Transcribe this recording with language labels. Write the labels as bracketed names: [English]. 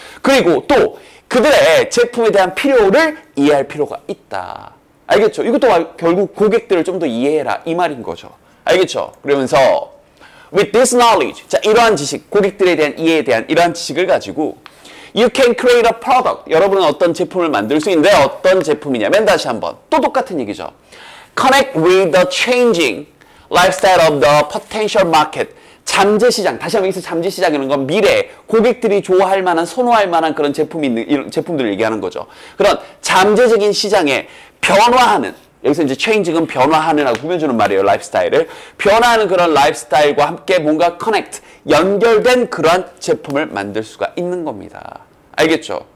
[Korean] 그리고 또 그들의 제품에 대한 필요를 이해할 필요가 있다. 알겠죠? 이것도 결국 고객들을 좀 더 이해해라, 이 말인 거죠. 알겠죠? 그러면서 [English] With this knowledge, [Korean] 자, 이러한 지식, 고객들에 대한 이해에 대한 이러한 지식을 가지고 [English] You can create a product. [Korean] 여러분은 어떤 제품을 만들 수 있는데 어떤 제품이냐. 맨 다시 한번. 또 똑같은 얘기죠. [English] Connect with the changing lifestyle of the potential market. [Korean] 잠재시장, 다시 한번 여기서 잠재시장이라는 건 미래, 고객들이 좋아할 만한, 선호할 만한 그런 제품이 있는, 이런 제품들을 얘기하는 거죠. 그런 잠재적인 시장에 변화하는, 여기서 이제 changing은 변화하느라고 꾸며주는 말이에요, 라이프스타일을. 변화하는 그런 라이프스타일과 함께 뭔가 커넥트, 연결된 그런 제품을 만들 수가 있는 겁니다. 알겠죠?